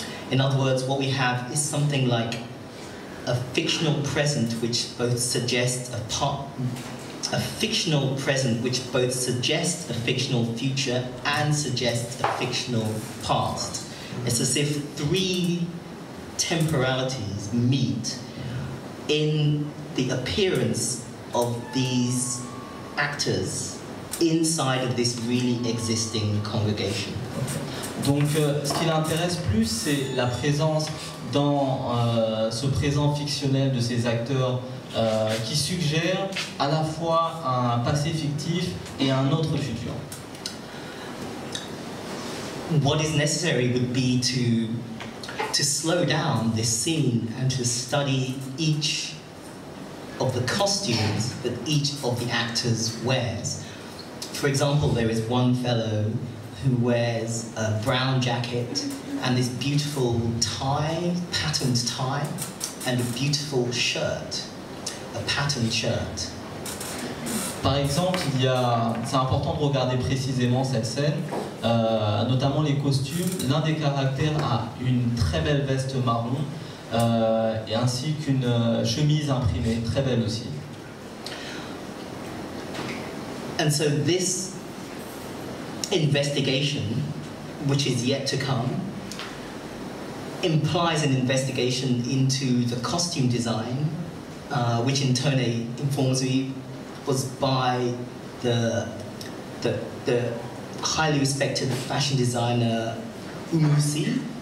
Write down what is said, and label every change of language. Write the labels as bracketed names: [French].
[English] In other words, what we have is something like a fictional present which both suggests a fictional future and suggests a fictional past. It's as if three temporalities meet in the appearance of these actors inside of this really existing congregation. [French] Donc, ce qui l'intéresse plus, c'est la présence dans ce présent fictionnel de ces acteurs qui suggère à la fois un passé fictif et un autre futur. [English] What is necessary would be to slow down this scene and to study each of the costumes that each of the actors wears. For example, there is one fellow who wears a brown jacket and this beautiful tie, patterned tie, and a beautiful shirt, a patterned shirt. [French] Par exemple, c'est important de regarder précisément cette scène, notamment les costumes. L'un des caractères a une très belle veste marron, et ainsi qu'une chemise imprimée, très belle aussi. [English] And so this investigation, which is yet to come, implies an investigation into the costume design, which in turn informs me was by the highly respected fashion designer Umusi.